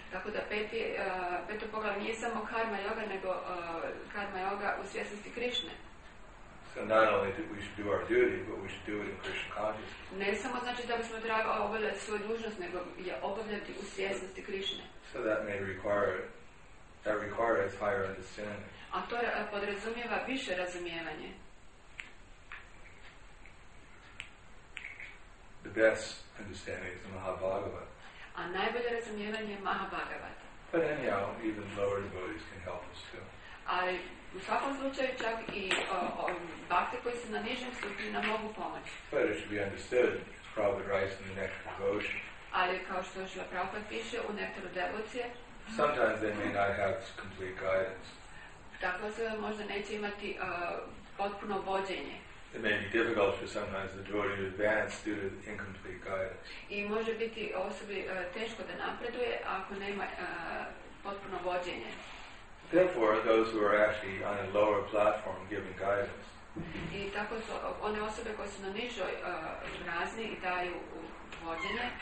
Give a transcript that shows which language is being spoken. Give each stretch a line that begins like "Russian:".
Croatian: Tako da peto poglavlje nije samo karma yoga, nego karma yoga u svjesnosti Krishne.
English: So not only that we should do our duty, but we should do it in Krishna consciousness.
Croatian: Ne samo znači da bismo trebali obavljati svoju dužnost, nego je obavljati u svjesnosti Krishne.
English: So that may require That requires higher understanding.
Croatian: A to podrazumijeva više razumijevanje.
English: The best understanding is the Mahabhagavat.
Croatian: A najbolje razumijevanje je Mahabhagavata.
English: But anyhow, even lower devotees can help us too.
Croatian: Ali u svakom slučaju čak i bhakti koji su na nižim stupnjima mogu pomoći.
English: But it should be understood, it's probably right in the nectar devotion.
Croatian: Ali kao što Šrila Prabhupada piše u nektaru devocije.
English: Sometimes they may not have complete guidance.
Croatian: Tako se možda neće imati potpuno vođenje.
English: It may be difficult for sometimes the devotee to advance due to incomplete guidance.
Croatian: I može biti osobi teško da napreduje ako nema potpuno vođenje.
English: Therefore, those who are actually on a lower platform giving guidance.
Croatian: I tako su one osobe koje su na nižoj razini i daju vođenje.